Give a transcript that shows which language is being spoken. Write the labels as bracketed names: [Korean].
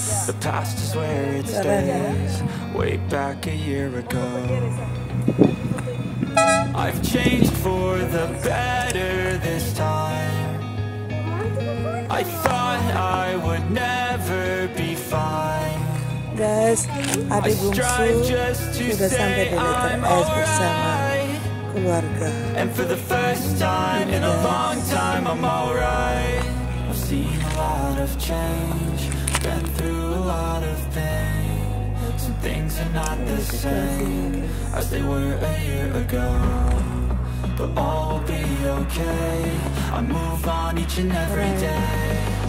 [English] The past is where it stays, way back a year ago. I've changed for the better this time. I thought I would never be fine. [Indonesian] Guys, adik bungsu sudah sampai di Letak S bersama keluarga. [English] And for the first time in a long time I'm alright. I've seen a lot of change, been through a lot of pain. Some things are not the same as they were a year ago. But all will be okay, I move on each and every day.